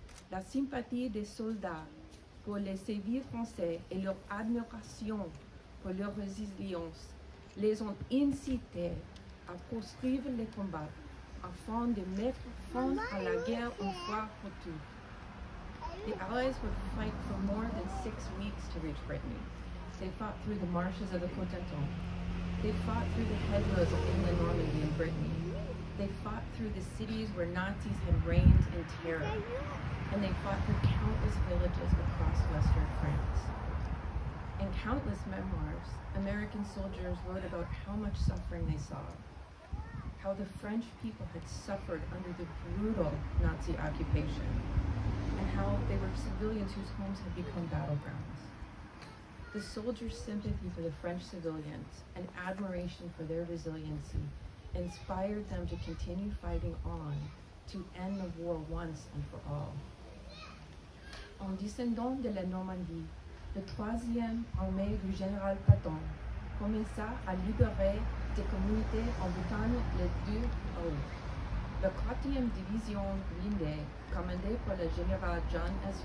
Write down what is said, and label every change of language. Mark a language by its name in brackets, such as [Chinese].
[French] La sympathie des soldats pour les civils français et leur admiration pour leur résilience les ont incités à poursuivre les combats afin de mettre fin à la guerre une fois pour toutes. [English] The Allies would fight for more than 6 weeks to reach Brittany. They fought through the marshes of the Cotentin. They fought through the hedgerows of inland Normandy and Brittany. They fought through the cities where Nazis had reigned in terror. And they fought through countless villages across western France. In countless memoirs, American soldiers wrote about how much suffering they saw, how the French people had suffered under the brutal Nazi occupation, and how they were civilians whose homes had become battlegrounds. The soldiers' sympathy for the French civilians and admiration for their resiliency inspired them to continue fighting on to end the war once and for all. [French] En descendant de la Normandie, la 3e armée du général Patton commença à libérer des communautés en Bretagne le 2 août. La 4e division blindée, commandée par le général John S.